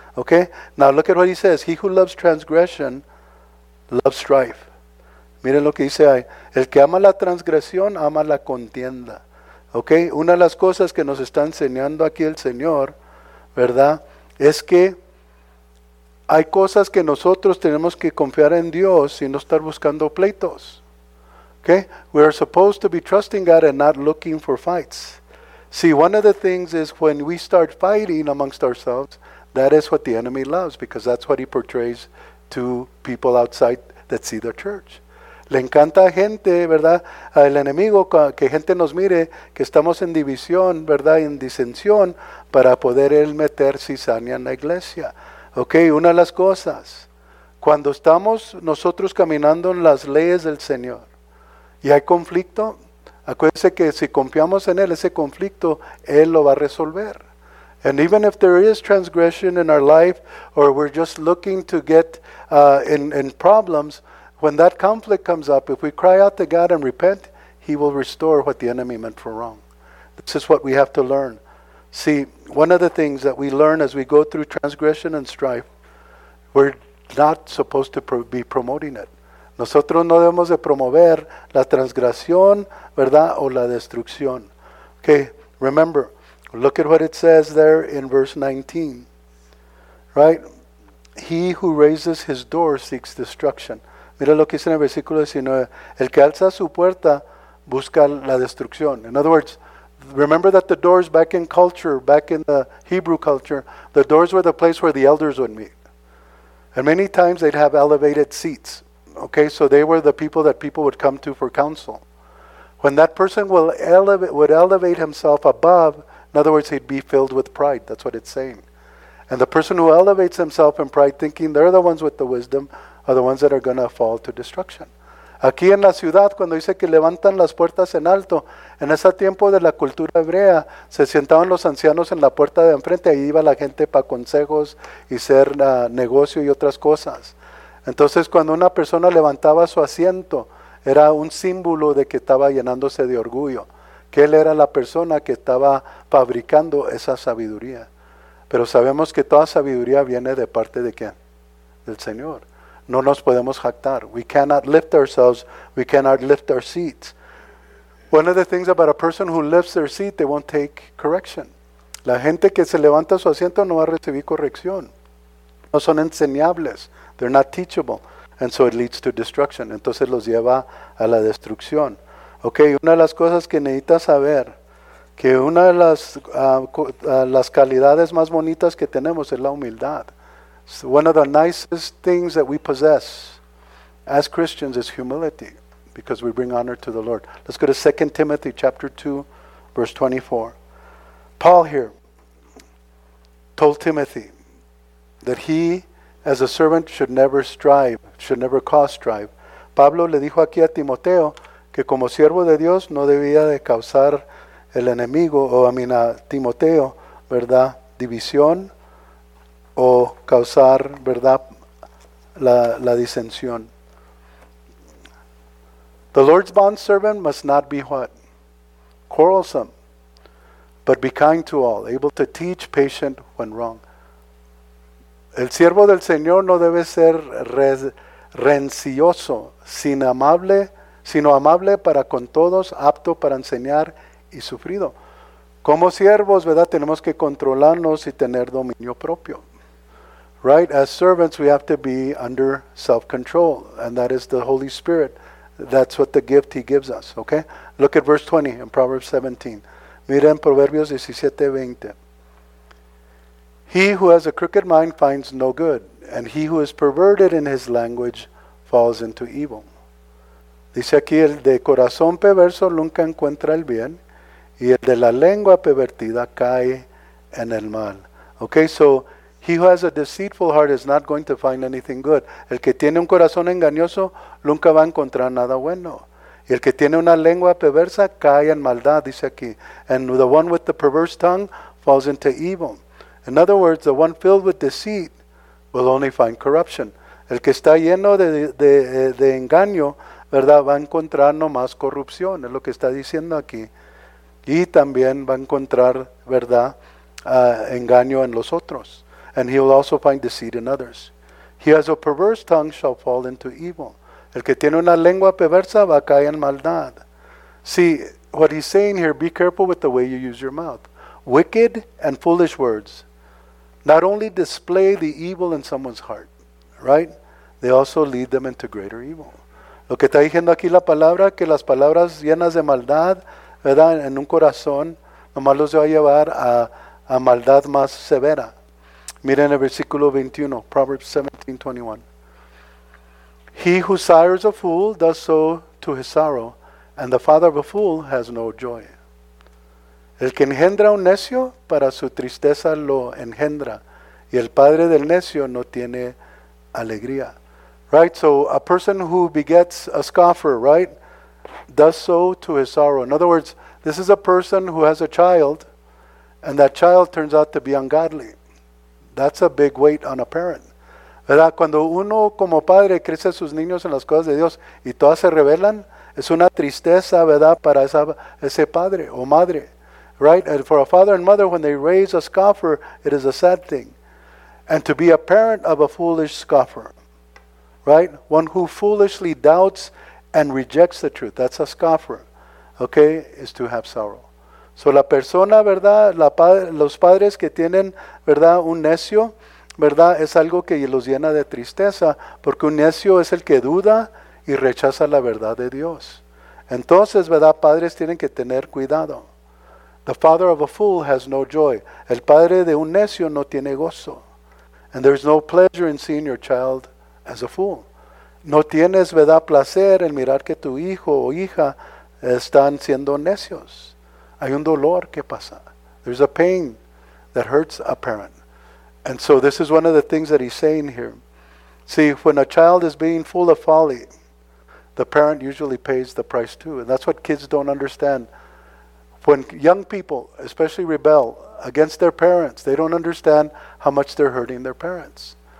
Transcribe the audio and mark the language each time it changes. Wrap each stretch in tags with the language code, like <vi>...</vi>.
<en>Okay? Now look at what he says. He who loves transgression loves strife.</en> <es>Miren lo que dice ahí. El que ama la transgresión ama la contienda. Okay? Una de las cosas que nos está enseñando aquí el Señor, ¿verdad?, es que hay cosas que nosotros tenemos que confiar en Dios y no estar buscando pleitos.</es> <en>Okay? We are supposed to be trusting God and not looking for fights. See, one of the things is when we start fighting amongst ourselves, that is what the enemy loves, because that's what he portrays to people outside that see the church.</en> <es>Le encanta a gente, ¿verdad?, al enemigo, que gente nos mire, que estamos en división, ¿verdad?, en disensión, para poder él meter cizaña en la iglesia. Ok, una de las cosas, cuando estamos nosotros caminando en las leyes del Señor, y hay conflicto, acuérdense que si confiamos en Él, ese conflicto, Él lo va a resolver.</es> <en>And even if there is transgression in our life, or we're just looking to get in problems, when that conflict comes up, if we cry out to God and repent, He will restore what the enemy meant for wrong. This is what we have to learn. See, one of the things that we learn as we go through transgression and strife, we're not supposed to be promoting it.</en> <es>Nosotros no debemos de promover la transgresión, ¿verdad?, o la destrucción.</es> <en>Okay, remember, look at what it says there in verse 19, right? He who raises his door seeks destruction.</en> <es>Mira lo que dice en el versículo 19. El que alza su puerta busca la destrucción.</es> <en>In other words, remember that the doors back in culture, back in the Hebrew culture, the doors were the place where the elders would meet. And many times they'd have elevated seats. Okay, so they were the people that people would come to for counsel. When that person would elevate himself above, in other words, he'd be filled with pride. That's what it's saying. And the person who elevates himself in pride, thinking they're the ones with the wisdom, are the ones that are going to fall to destruction.</en> <es>Aquí en la ciudad, cuando dice que levantan las puertas en alto, en ese tiempo de la cultura hebrea, se sentaban los ancianos en la puerta de enfrente, ahí iba la gente para consejos y ser negocio y otras cosas. Entonces, cuando una persona levantaba su asiento, era un símbolo de que estaba llenándose de orgullo, que él era la persona que estaba fabricando esa sabiduría. Pero sabemos que toda sabiduría viene de parte de ¿quién? Del Señor. No nos podemos jactar.</es> <en>We cannot lift ourselves. We cannot lift our seats. One of the things about a person who lifts their seat, they won't take correction.</en> <es>La gente que se levanta su asiento no va a recibir corrección. No son enseñables.</es> <en>They're not teachable. And so it leads to destruction.</en> <es>Entonces los lleva a la destrucción. Okay, una de las cosas que necesita saber, que una de las calidades más bonitas que tenemos es la humildad.</es> <en>So one of the nicest things that we possess as Christians is humility, because we bring honor to the Lord. Let's go to 2 Timothy chapter 2, verse 24. Paul here told Timothy that he, as a servant, should never strive, should never cause strife.</en> <es>Pablo le dijo aquí a Timoteo que como siervo de Dios no debía de causar el enemigo, o a mí, a Timoteo, ¿verdad?, división, o causar, ¿verdad?, la disensión.</es> <en>The Lord's bondservant must not be what? Quarrelsome, but be kind to all, able to teach, patient when wrong.</en> <es>El siervo del Señor no debe ser rencioso, sino amable para con todos, apto para enseñar y sufrido. Como siervos, ¿verdad?, tenemos que controlarnos y tener dominio propio.</es> <en>Right? As servants, we have to be under self-control, and that is the Holy Spirit. That's what the gift He gives us, okay? Look at verse 20 in Proverbs 17.</en> <es>Miren Proverbios 17:20.</es> <en>He who has a crooked mind finds no good, and he who is perverted in his language falls into evil.</en> <es>Dice aquí, el de corazón perverso nunca encuentra el bien, y el de la lengua pervertida cae en el mal.</es> <en>Okay, so he who has a deceitful heart is not going to find anything good.</en> <es>El que tiene un corazón engañoso nunca va a encontrar nada bueno. Y el que tiene una lengua perversa cae en maldad, dice aquí.</es> <en>And the one with the perverse tongue falls into evil. In other words, the one filled with deceit will only find corruption.</en> <es>El que está lleno de engaño, ¿verdad?, va a encontrar nomás corrupción, es lo que está diciendo aquí. Y también va a encontrar, ¿verdad?, engaño en los otros.</es> <en>And he will also find deceit in others. He has a perverse tongue shall fall into evil.</en> <es>El que tiene una lengua perversa va a caer en maldad.</es> <en>See, what he's saying here, be careful with the way you use your mouth. Wicked and foolish words not only display the evil in someone's heart, right? They also lead them into greater evil.</en> <es>Lo que está diciendo aquí la palabra, que las palabras llenas de maldad, ¿verdad?, en un corazón, nomás los va a llevar a maldad más severa. Miren el versículo 21, Proverbs 17:21.</es> <en>He who sires a fool does so to his sorrow, and the father of a fool has no joy.</en> <es>El que engendra un necio para su tristeza lo engendra, y el padre del necio no tiene alegría.</es> <en>Right, so a person who begets a scoffer, right? does so to his sorrow. In other words, this is a person who has a child, and that child turns out to be ungodly. That's a big weight on a parent.</en> <es>¿Verdad? Cuando uno como padre crece a sus niños en las cosas de Dios y todas se revelan, es una tristeza, ¿verdad?, para ese padre o madre.</es> <en>Right? And for a father and mother, when they raise a scoffer, it is a sad thing. And to be a parent of a foolish scoffer. Right? One who foolishly doubts and rejects the truth. That's a scoffer. Okay? Is to have sorrow.</en> <es>So la persona, ¿verdad?, los padres que tienen, ¿verdad?, un necio, ¿verdad?, es algo que los llena de tristeza, porque un necio es el que duda y rechaza la verdad de Dios. Entonces, ¿verdad?, padres tienen que tener cuidado.</es> <en>The father of a fool has no joy.</en> <es>El padre de un necio no tiene gozo.</es> <en>And there's no pleasure in seeing your child as a fool.</en> <es>No tienes, ¿verdad?, placer en mirar que tu hijo o hija están siendo necios. Hay un dolor que pasa.</es> <en>There's a pain that hurts a parent. And so this is one of the things that he's saying here. See, when a child is being full of folly, the parent usually pays the price too. And that's what kids don't understand. When young people especially rebel against their parents, they don't understand how much they're hurting their parents.</en>